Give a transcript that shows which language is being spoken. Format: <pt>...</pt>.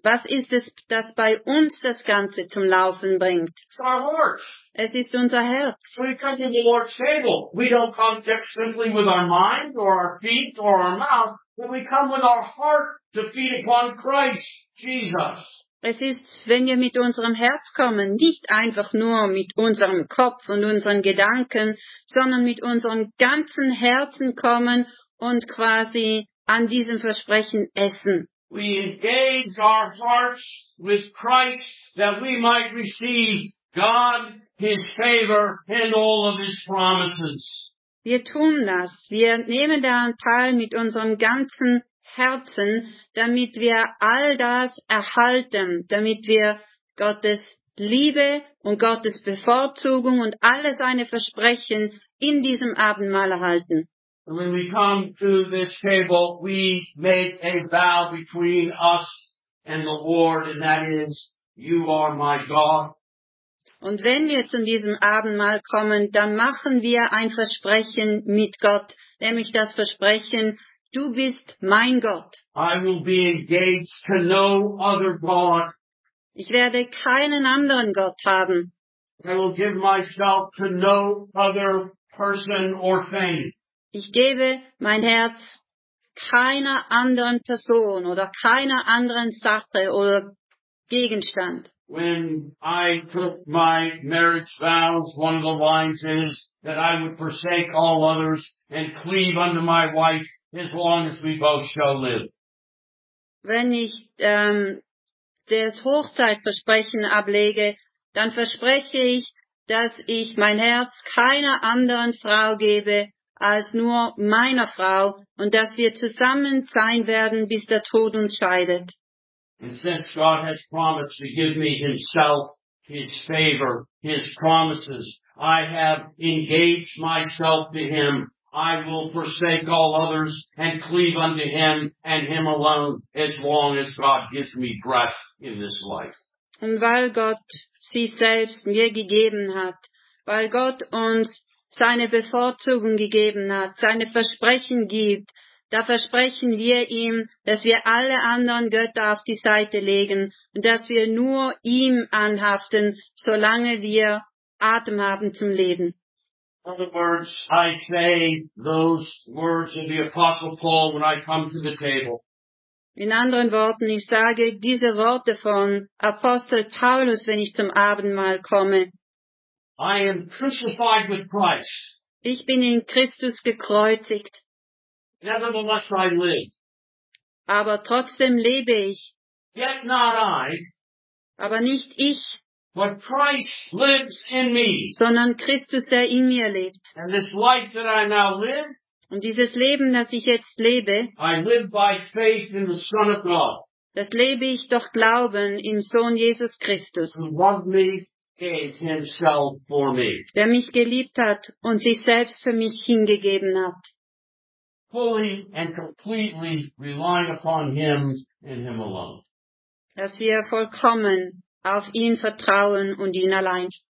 <de>Was ist es, das bei uns das Ganze zum Laufen bringt?</de> <en>It's our heart.</en> <de>Es ist unser Herz.</de> <en>So we come to the Lord's table. We don't come just simply with our mind or our feet or our mouth, but we come with our heart to feed upon Christ Jesus.</en> <de>Es ist, wenn wir mit unserem Herz kommen, nicht einfach nur mit unserem Kopf und unseren Gedanken, sondern mit unserem ganzen Herzen kommen und quasi an diesem Versprechen essen.</de> <en>We engage our hearts with Christ that we might receive God, his favor and all of his promises.</en> <de>Wir tun das. Wir nehmen daran teil mit unserem ganzen Herzen, damit wir all das erhalten, damit wir Gottes Liebe und Gottes Bevorzugung und alle seine Versprechen in diesem Abendmahl erhalten.</de> <en>And when we come to this table, we make a vow between us and the Lord, and that is, you are my God.</en> <de>Und wenn wir zu diesem Abendmahl kommen, dann machen wir ein Versprechen mit Gott, nämlich das Versprechen, Du bist mein Gott.</de> <en>I will be engaged to no other God.</en> <de>Ich werde keinen anderen Gott haben.</de> <en>I will give myself to no other person or thing.</en> <de>Ich gebe mein Herz keiner anderen Person oder keiner anderen Sache oder Gegenstand.</de> <en>When I took my marriage vows, one of the lines is that I would forsake all others and cleave unto my wife as long as we both shall live.</en> <de>Wenn ich das Hochzeitversprechen ablege, dann verspreche ich, dass ich mein Herz keiner anderen Frau gebe als nur meiner Frau und dass wir zusammen sein werden, bis der Tod uns scheidet.</de> <en>And since God has promised to give me himself, his favor, his promises, I have engaged myself to him. I will forsake all others and cleave unto him and him alone as long as God gives me breath in this life.</en> <de>Und weil Gott sie selbst mir gegeben hat, weil Gott uns seine Bevorzugung gegeben hat, seine Versprechen gibt, da versprechen wir ihm, dass wir alle anderen Götter auf die Seite legen und dass wir nur ihm anhaften, solange wir Atem haben zum Leben.</de> <en>In other words, I say those words of the Apostle Paul when I come to the table.</en> <de>In anderen Worten, ich sage diese Worte von Apostel Paulus, wenn ich zum Abendmahl komme.</de> <en>I am crucified with Christ.</en> <de>Ich bin in Christus gekreuzigt.</de> <en>Nevertheless I live.</en> <de>Aber trotzdem lebe ich.</de> <en>Yet not I.</en> <de>Aber nicht ich.</de> <en>But Christ lives in me.</en> <de>Sondern Christus, der in mir lebt.</de> <en>And this life that I now live.</en> <de>Und dieses Leben, das ich jetzt lebe.</de> <en>I live by faith in the Son of God.</en> <de>Das lebe ich durch Glauben im Sohn Jesus Christus.</de> <en>Who loved me, gave himself for me.</en> <de>Der mich geliebt hat und sich selbst für mich hingegeben hat.</de> <en>Fully and completely relying upon him and him alone.</en> <de>Dass wir vollkommen auf ihn vertrauen und ihn allein.</de>